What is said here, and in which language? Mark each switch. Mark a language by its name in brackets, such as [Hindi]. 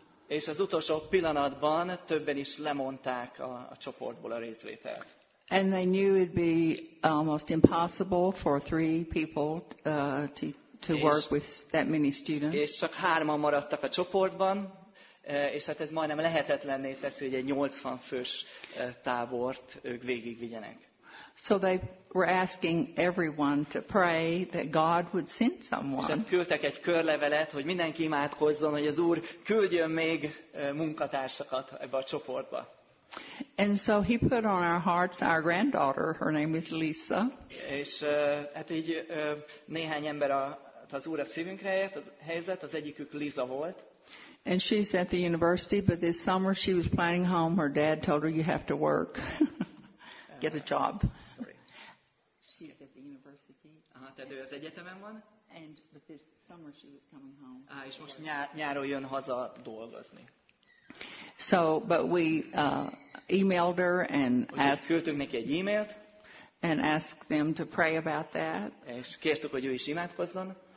[Hungarian] És az utolsó pillanatban többen is lemondták a csoportból a részvételt. [English] And they knew it'd be almost impossible for 3 people to work with that many students. [Hungarian] És csak 3-an maradtak a csoportban, és hát ez majdnem lehetetlenné teszi, hogy egy 80 fős tábort ők végigvigyenek. [English] So they were asking everyone to pray that God would send someone. [Hungarian] És hát küldtek egy körlevelet, hogy mindenki imádkozzon, hogy az Úr küldjön még munkatársakat ebbe a csoportba. [English] And so he put on our hearts our granddaughter, her name is Lisa. [Hungarian] És hát így néhány ember az Úr a szívünkre helyezett, az egyikük Lisa volt. [English] And she's at the university, but this summer she was planning home. Her dad told her, you have to work. Get a job. She's at the university. [Hungarian] Tehát ő az egyetemen van. [English] And but this summer she was coming home. [Hungarian] És most nyáron jön haza dolgozni. [English] So, but we emailed her and [Hungarian] küldtük neki egy e-mailt. [English] And asked them to pray about that. [Hungarian] És kértük, hogy ő is imádkozzon.